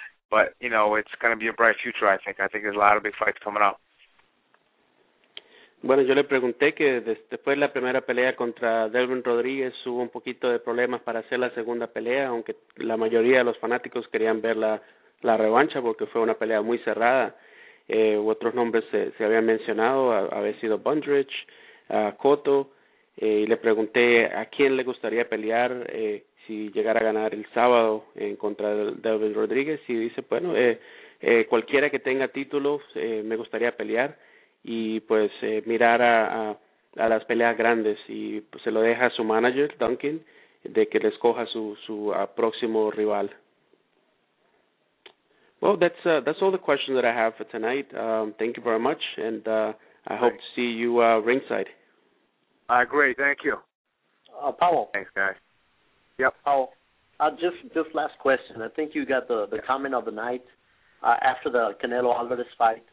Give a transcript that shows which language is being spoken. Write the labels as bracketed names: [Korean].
[English] But, you know, it's going to be a bright future, I think. I think there's a lot of big fights coming up. [Spanish] Bueno, yo le pregunté que después de la primera pelea contra Delvin Rodríguez hubo un poquito de problemas para hacer la segunda pelea, aunque la mayoría de los fanáticos querían ver la revancha porque fue una pelea muy cerrada. Otros nombres se habían mencionado, había sido Bundrich, Cotto, y le pregunté a quién le gustaría pelear si llegara a ganar el sábado en contra de Delvin Rodríguez, y dice, bueno, cualquiera que tenga títulos me gustaría pelear. Y pues mirar a las peleas grandes, y pues, se lo deja a su manager, Duncan, de que le escoja su próximo rival. [English] Well, that's all the questions that I have for tonight. Thank you very much, and I hope to see you ringside. Great. Thank you. Powell. Thanks, guys. Yep. Powell, just last question. I think you got the comment of the night after the Canelo Alvarez fight.